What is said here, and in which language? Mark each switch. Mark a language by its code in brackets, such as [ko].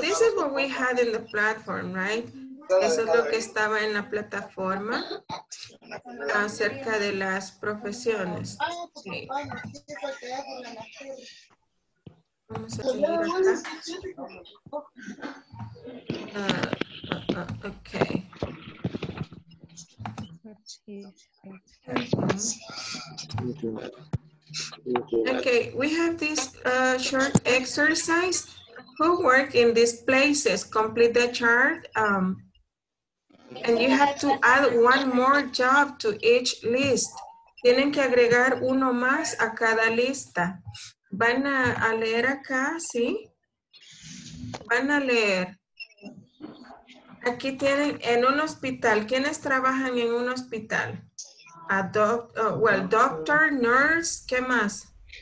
[en] This is what we had in the platform, right? [es] Eso es lo que estaba en la plataforma acerca de las profesiones. [en] Okay. [es] Vamos a seguir acá. [en] Okay. Okay, we have this short exercise. Who work in these places? Complete the chart. And you have to add one more job to each list. [es] Tienen que agregar uno más a cada lista. Van a leer acá, ¿sí? Van a leer. Aquí tienen, en un hospital, ¿quiénes trabajan en un hospital? [en] A doctor, nurse, [es] ¿qué más?